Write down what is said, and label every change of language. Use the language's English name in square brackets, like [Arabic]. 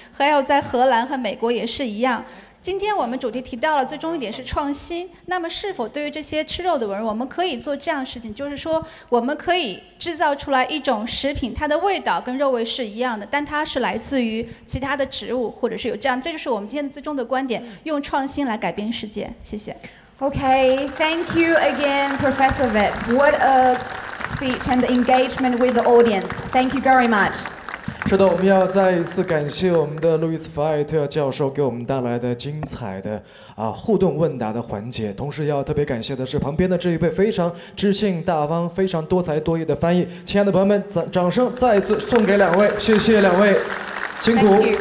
[Chinese] 还有在荷兰和美国也是一样。今天我们主题提到了最终一点是创新，那么是否对于这些吃肉的人，我们可以做这样事情，就是说我们可以制造出来一种食品，它的味道跟肉味是一样的，但它是来自于其他的植物，或者是有这样，这就是我们今天的最终的观点，用创新来改变世界。谢谢。 [English] Okay, thank you again, Professor Vitt. What a speech and engagement with the audience. Thank you very much. [Chinese] 是的，我们要再一次感谢我们的路易斯·弗艾特教授给我们带来的精彩的互动问答的环节，同时要特别感谢的是旁边的这一位非常知性大方、非常多才多艺的翻译。亲爱的朋友们，掌声再一次送给两位，谢谢两位，辛苦。